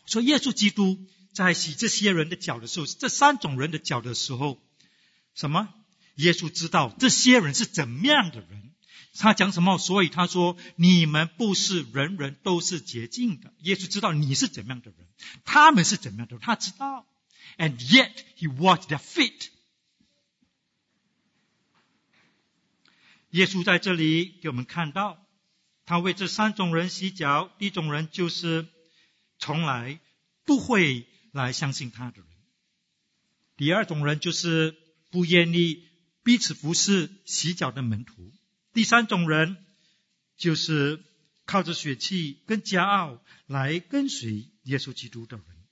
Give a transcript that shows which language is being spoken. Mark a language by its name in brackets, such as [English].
[Chinese] 所以耶稣基督在洗这些人的脚的时候，这三种人的脚的时候，什么？耶稣知道这些人是怎么样的人，他讲什么？所以他说，你们不是人人都是洁净的。耶稣知道你是怎么样的人，他们是怎么样的人，他知道。 [English] And yet he washed their feet。 [Chinese] 耶稣在这里给我们看到，他为这三种人洗脚。第一种人就是从来不会来相信他的人，第二种人就是不愿意彼此服侍洗脚的门徒，第三种人就是靠着血气跟骄傲来跟随耶稣基督的人。